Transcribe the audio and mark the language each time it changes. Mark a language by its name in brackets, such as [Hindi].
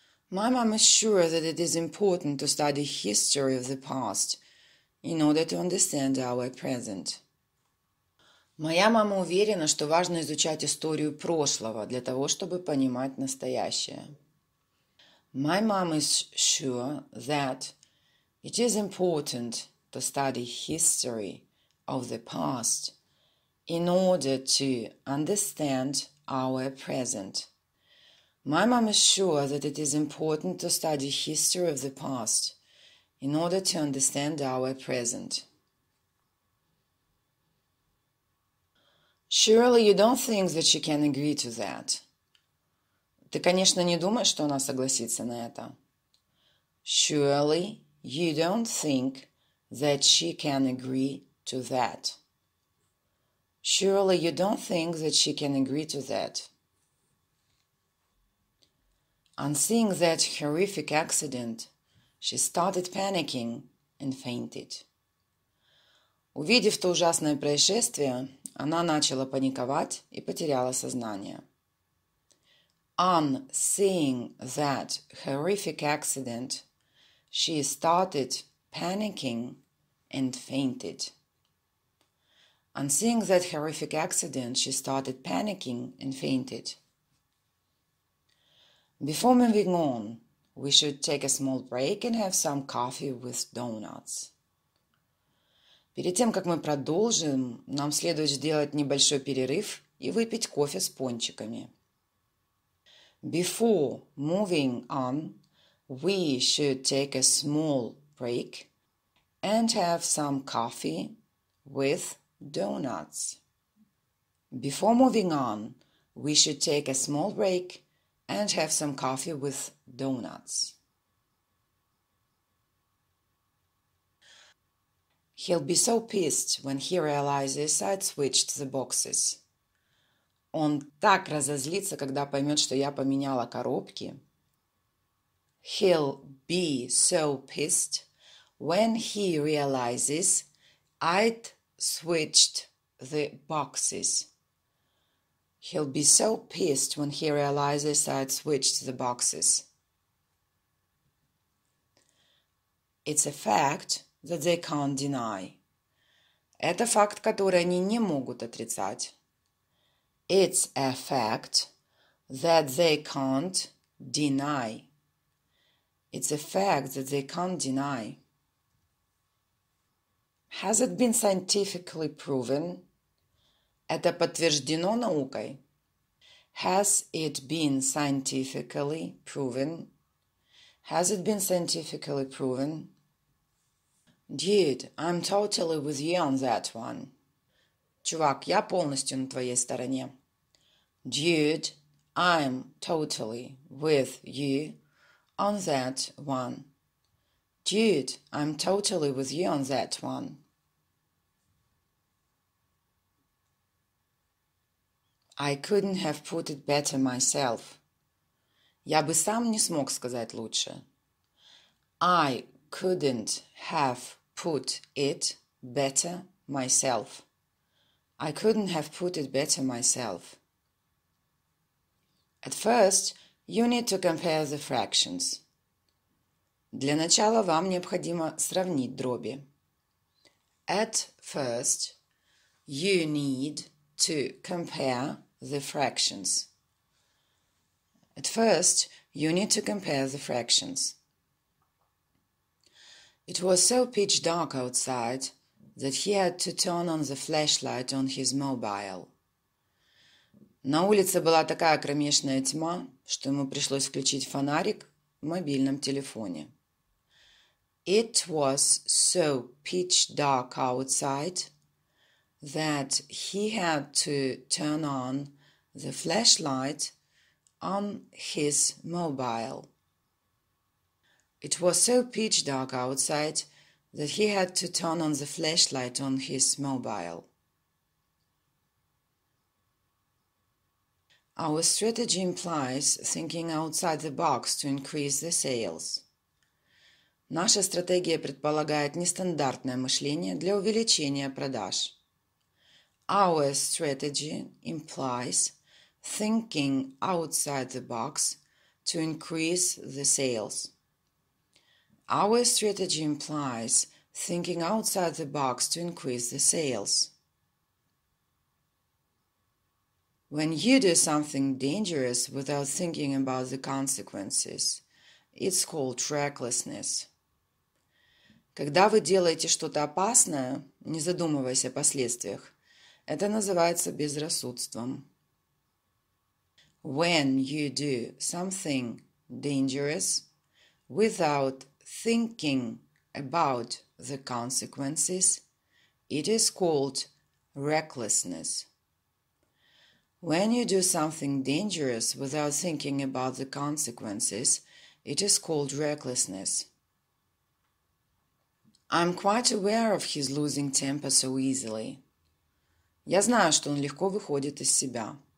[English] My mom is sure that it is important to study history of the past in order to understand our present. [Russian] Моя мама уверена, что важно изучать историю прошлого для того, чтобы понимать настоящее. [English] My mom is sure that it is important to study history of the past in order to understand our present. My mom is sure that it is important to study history of the past in order to understand our present. Surely you don't think that she can agree to that. [Russian] Ты, конечно, не думаешь, что она согласится на это. [English] Surely you don't think that she can agree to that. Surely you don't think that she can agree to that. On seeing that horrific accident, she started panicking and fainted. [Russian] Увидев то ужасное происшествие, она начала паниковать и потеряла сознание. [English] On seeing that horrific accident, she started panicking and fainted. On seeing that horrific accident, she started panicking and fainted. Before moving on, we should take a small break and have some coffee with donuts. [Russian] Перед тем, как мы продолжим, нам следует сделать небольшой перерыв и выпить кофе с пончиками. [English] Before moving on, we should take a small break and have some coffee with donuts. Before moving on, we should take a small break and have some coffee with donuts. He'll be so pissed when he realizes I'd switched the boxes. [Russian] Он так разозлится, когда поймет, что я поменяла коробки. [English] He'll be so pissed when he realizes I'd switched the boxes. He'll be so pissed when he realizes I'd switched the boxes. It's a fact that they can't deny. [Russian] Это факт, который они не могут отрицать. [English] It's a fact that they can't deny. It's a fact that they can't deny. Has it been scientifically proven? [Russian] Это подтверждено наукой. [English] Has it been scientifically proven? Has it been scientifically proven? Dude, I'm totally with you on that one. [Russian] Чувак, я полностью на твоей стороне. [English] Dude, I'm totally with you on that one. Dude, I'm totally with you on that one. I couldn't have put it better myself. [Russian] Я бы сам не смог сказать лучше. [English] I couldn't have put it better myself. I couldn't have put it better myself. At first, you need to compare the fractions. [Russian] Для начала вам необходимо сравнить дроби. [English] At first, you need to compare the fractions. At first, you need to compare the fractions. It was so pitch dark outside that he had to turn on the flashlight on his mobile. [Russian] На улице была такая кромешная тьма, что ему пришлось включить фонарик в мобильном телефоне. [English] It was so pitch dark outside that he had to turn on the flashlight on his mobile. It was so pitch dark outside that he had to turn on the flashlight on his mobile. Our strategy implies thinking outside the box to increase the sales. [Russian] Наша стратегия предполагает нестандартное мышление для увеличения продаж. [English] Our strategy implies thinking outside the box to increase the sales. Our strategy implies thinking outside the box to increase the sales. When you do something dangerous without thinking about the consequences, it's called recklessness. [Russian] Когда вы делаете что-то опасное, не задумываясь о последствиях, это называется безрассудством. [English] When you do something dangerous without thinking about the consequences, it is called recklessness. When you do something dangerous without thinking about the consequences, it is called recklessness. I'm quite aware of his losing temper so easily. [Russian] Я знаю, что он легко выходит из себя.